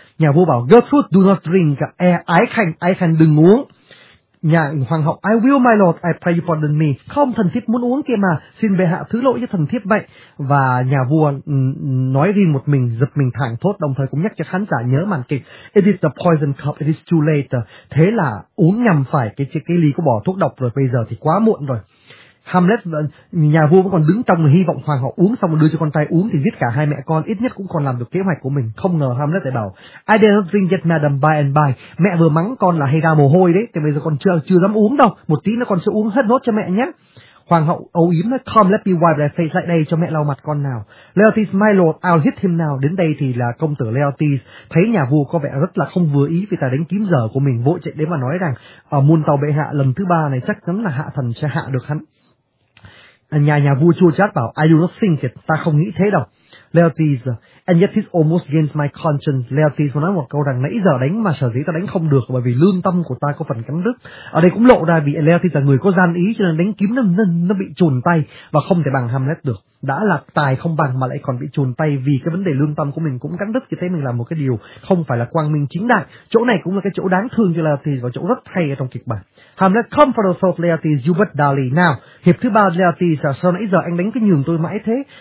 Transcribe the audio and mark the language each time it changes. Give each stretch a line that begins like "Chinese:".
Vietnamese: Nhà vua bảo Gertrude,
English: do not drink,
Vietnamese: ái khanh đừng uống. Nhà hoàng hậu,
English: I will my lord, I pray you pardon me.
Vietnamese: Không, thần thiếp muốn uống kia mà, xin bệ hạ thứ lỗi cho thần thiếp vậy. Và nhà vua nói riêng một mình, giật mình thảng thốt, đồng thời cũng nhắc cho khán giả nhớ màn kịch.
English: It is the poison cup, it is too late.
Vietnamese: Thế là uống nhầm phải cái ly có bỏ thuốc độc rồi, bây giờ thì quá muộn rồi. Hamlet, nhà vua vẫn còn đứng trong hy vọng hoàng hậu uống xong đưa cho con trai uống thì giết cả hai mẹ con, ít nhất cũng còn làm được kế hoạch của mình. Không ngờ Hamlet lại bảo,
English: I did not drink yet, madam, by and by.
Vietnamese: Mẹ vừa mắng con là hay ra mồ hôi đấy, thì bây giờ con chưa dám uống đâu, một tí nó con sẽ uống hết nốt cho mẹ nhé. Hoàng hậu âu yếm nói,
English: come let me wipe thy face,
Vietnamese: lại đây cho mẹ lau mặt con nào. Leotis,
English: my lord, I'll hit him now.
Vietnamese: Đến đây thì là công tử Leotis thấy nhà vua có vẻ rất là không vừa ý vì tài đánh kiếm dở của mình, vội chạy đến mà nói rằng, ở muôn tàu bệ hạ, lần thứ ba này chắc chắn là hạ thần sẽ hạ được hắn. Nhà vua chua chát bảo,
English: I do not think it,
Vietnamese: ta không nghĩ thế đâu.
English: Leotis, and yet this almost against my conscience.
Vietnamese: Leotis nói một câu rằng, nãy giờ đánh mà sở dĩ ta đánh không được bởi vì lương tâm của ta có phần cắn đứt. Ở đây cũng lộ ra vì Leotis là người có gian ý, cho nên đánh kiếm nó bị chùn tay và không thể bằng Hamlet được. Đã là tài không bằng mà lại còn bị chùn tay vì cái vấn đề lương tâm của mình cũng cắn đứt, thì thấy mình làm một cái điều không phải là quang minh chính đại. Chỗ này cũng là cái chỗ đáng thương cho Leotis và chỗ rất hay ở trong kịch bản.
English: Hamlet, come for the sword, Leotis, you but dally.
Vietnamese: Now, hiệp thứ ba, Leotis, sao nãy giờ anh đánh cái nhường tôi mãi thế?